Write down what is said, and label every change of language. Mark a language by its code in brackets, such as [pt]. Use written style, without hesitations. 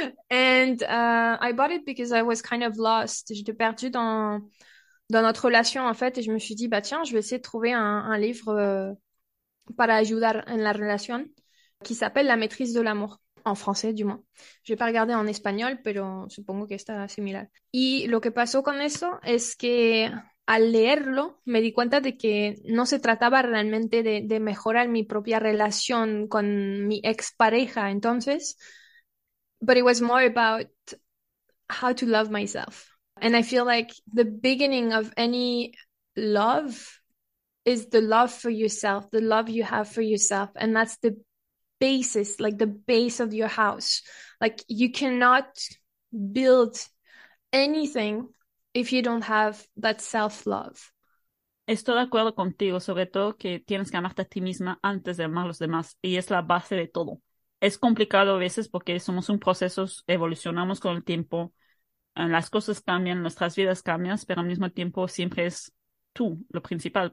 [en] And I bought it because I was kind of lost. [fr] J'étais perdue dans notre relation, en fait, et je me suis dit, bah tiens, je vais essayer de trouver un livre [es] para ayudar en la relación [fr] qui s'appelle La maîtrise de l'amour, en français du moins. Je vais pas regarder en espagnol, [es] pero supongo que está similar. Y lo que pasó con eso es que al leerlo me di cuenta de que no se trataba realmente de mejorar mi propia relación con mi expareja, entonces, [en] but it was more about how to love myself. And I feel like the beginning of any love is the love for yourself, the love you have for yourself. And that's the basis, like the base of your house. Like you cannot build anything if you don't have that self-love. [es] Estoy de acuerdo contigo, sobre todo que tienes que amarte a ti misma antes de amar a los demás. Y es la base de todo. Es complicado a veces porque somos un proceso, evolucionamos con el tiempo. Las cosas cambian, nuestras vidas cambian, pero al mismo tiempo siempre es tú lo principal.